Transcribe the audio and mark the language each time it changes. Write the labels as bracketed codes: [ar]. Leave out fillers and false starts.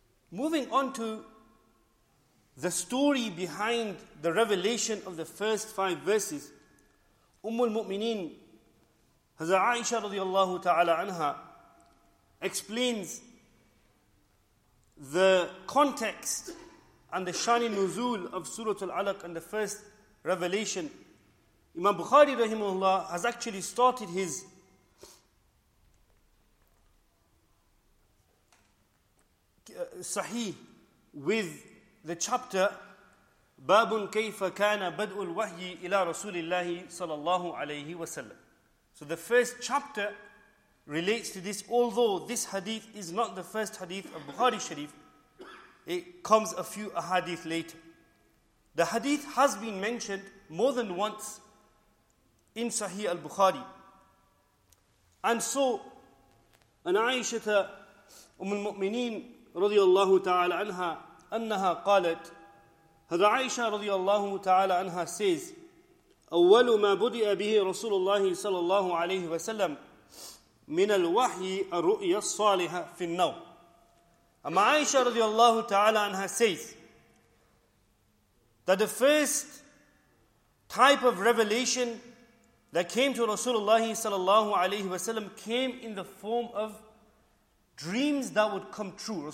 [en] Moving on to the story behind the revelation of the first five verses, Ummul Mu'mineen, Hazrat Aisha radiallahu ta'ala anha, explains the context and the shani nuzul of Surah Al-Alaq and the first revelation. Imam Bukhari rahimahullah has actually started his sahih with the chapter [ar] باب كيف كان بدء الوحي إلى رسول الله صلى الله عليه وسلم. [en] So the first chapter relates to this, although this hadith is not the first hadith of Bukhari Sharif, it comes a few hadith later. The hadith has been mentioned more than once in Sahih al-Bukhari. And so, an Aisha al-Mu'mineen [ar] رضي الله تعالى عنها أنها قالت هذا عائشة رضي الله تعالى عنها [en] says [ar] أول ما بدأ به رسول الله صلى الله عليه وسلم من الوحي الرؤيا الصالحة في النوم. أما عائشة رضي الله تعالى عنها [en] says that the first type of revelation that came to رسول الله صلى الله عليه وسلم came in the form of dreams that would come true.